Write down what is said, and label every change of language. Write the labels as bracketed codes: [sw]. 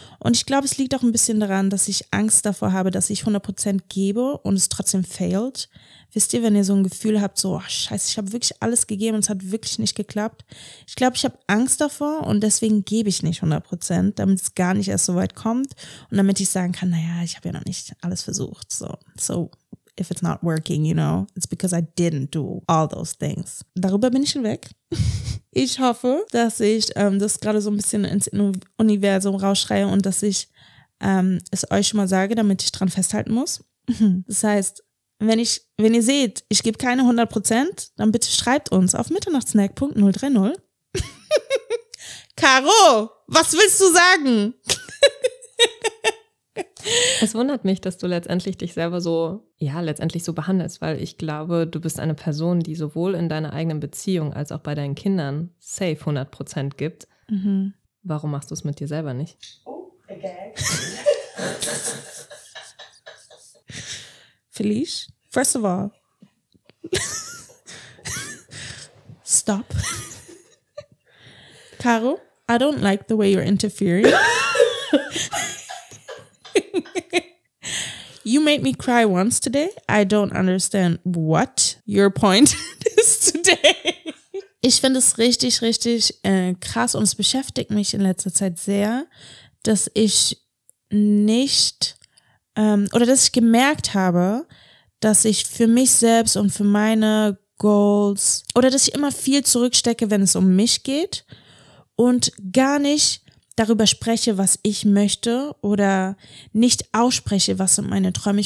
[de] Und ich glaube, es liegt auch ein bisschen daran, dass ich Angst davor habe, dass ich 100% gebe und es trotzdem failt. Wisst ihr, wenn ihr so ein Gefühl habt, so oh, scheiße, ich habe wirklich alles gegeben und es hat wirklich nicht geklappt. Ich glaube, ich habe Angst davor und deswegen gebe ich nicht 100%, damit es gar nicht erst so weit kommt. Und damit ich sagen kann, naja, ich habe ja noch nicht alles versucht. So. [en] If it's not working, you know, it's because I didn't do all those things. [de] Darüber bin ich hinweg. Ich hoffe, dass ich das gerade so ein bisschen ins Universum rausschreie und dass ich es euch schon mal sage, damit ich dran festhalten muss. Das heißt, wenn ihr seht, ich gebe keine 100%, dann bitte schreibt uns auf mitternachtssnack.030. Caro, was willst du sagen? Es wundert mich, dass du letztendlich dich selber so, ja, letztendlich so behandelst, weil ich glaube, du bist eine Person, die sowohl in deiner eigenen Beziehung als auch bei deinen Kindern safe 100% gibt. Mhm. Warum machst du es mit dir selber nicht? Oh, okay. [en] Felice, first of all, stop. Caro, I don't like the way you're interfering. You made me cry once today. I don't understand what your point is today. [de] Ich finde es richtig, richtig krass und es beschäftigt mich in letzter Zeit sehr, dass ich nicht oder dass ich gemerkt habe, dass ich für mich selbst und für meine Goals oder dass ich immer viel zurückstecke, wenn es um mich geht und gar nicht darüber spreche, was ich möchte oder nicht ausspreche, was sind meine Träume.